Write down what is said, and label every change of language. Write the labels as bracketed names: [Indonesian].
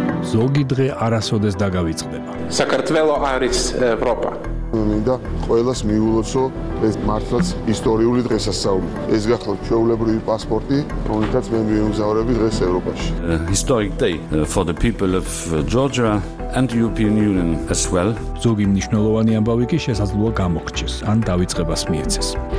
[Georgian] ზოგი დღე არასოდეს დაგავიწყდება. საქართველო არის ევროპა. მინდა ყოველას მიულოცო ეს მართლაც ისტორიული დღესასწაული. ეს გახლავთ ჩვეულებრივი პასპორტი, რომელიც მე მიემგზავრები დღეს ევროპაში. [English] Historic day for the people of Georgia and the European Union as well. [Georgian] ზოგი მნიშვნელოვანი ამბავი კი შესაძლოა გამოგჩეს, ან დავიწყებას მიეცეს.